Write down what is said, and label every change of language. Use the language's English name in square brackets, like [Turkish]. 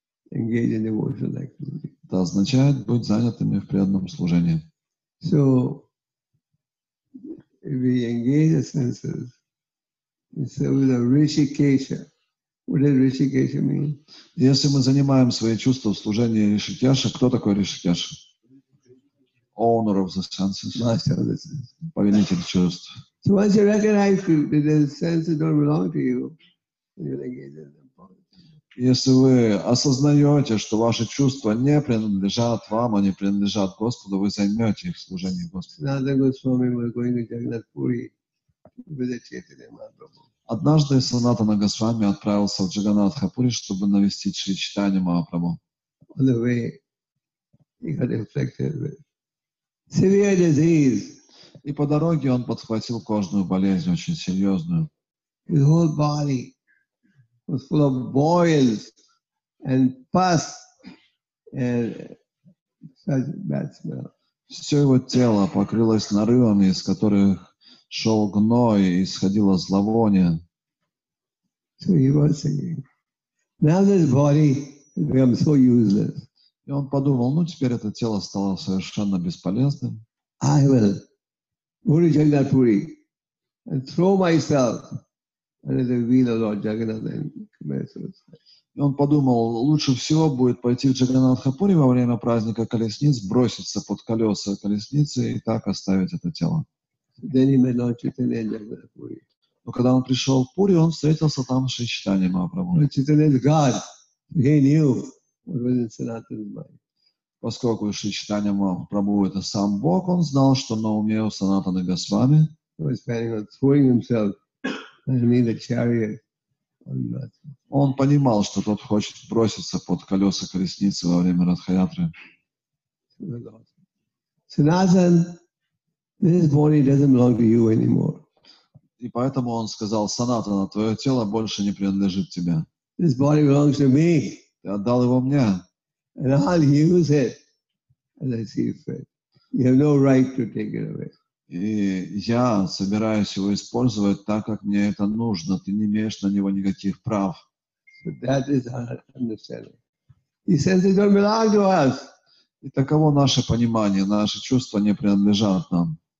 [Russian] Это означает быть занятыми в преданном служении. [English] So, if we engage the senses, it's with a Rishikesha. What does Rishikesha mean? [Russian] Если мы занимаем свои чувства в служении Ришикеша, кто такой Ришикеша? [English] Owner of the senses. Master of the senses. [Russian] Повелитель чувств. [English] So once you recognize that the senses don't belong to you, you'll engage in them. [Russian] Если вы осознаете, что ваши чувства не принадлежат вам, они принадлежат Господу, вы займете их в служении Господу. [English] Another good story was going to Jagannath Puri with the Chaitanya Mahaprabhu. [Russian] Однажды Санатана Госвами отправился в Джаганнатха Пури, чтобы навестить Шри Чайтанья Махапрабху. [English] On the way, he got infected with severe disease. [Russian] И по дороге он подхватил кожную болезнь, очень серьезную. [English] His whole body was full of boils and pus and such bad smell. [Russian] Все его тело покрылось нарывами, из которых шел гной и исходило зловоние. [English] So he was saying, now this body has become so useless. [Russian] И он подумал, ну теперь это тело стало совершенно бесполезным. [English] I will go to Jagannath Puri and throw myself under the wheel of Lord Jagannath and commit suicide. [Russian] И он подумал, лучше всего будет пойти в Джагнатха Пури во время праздника колесниц, броситься под колеса колесницы и так оставить это тело. [English] Then he met Lord Chaitanya and Jagannath Puri. [Russian] Но когда он пришел в Пури, он встретился там с Шри Чайтанья Махапрабху. [English] Lord Chaitanya is God. He knew. What was in Sanatana's mind? [Russian] Поскольку Шри Чайтанья Махапрабху это сам Бог, он знал, что на уме у Санатаны Госвами. [English] He was planning on throwing himself underneath the chariot [Russian] Он понимал, что тот хочет броситься под колеса колесницы во время Радхаятры. [English] Sanatan, this body doesn't belong to you anymore. [Russian] И поэтому он сказал: Санатана, твое тело больше не принадлежит тебе. [English] This body belongs to me. [Russian] Ты отдал его мне. [English] And I'll use it as I see fit. You have no right to take it away. [Russian] И я собираюсь его использовать так, как мне это нужно. Ты не имеешь на него никаких прав. [English] So that is our understanding. He says it don't belong to us. [Russian] И таково наше понимание, наши чувства не принадлежат нам.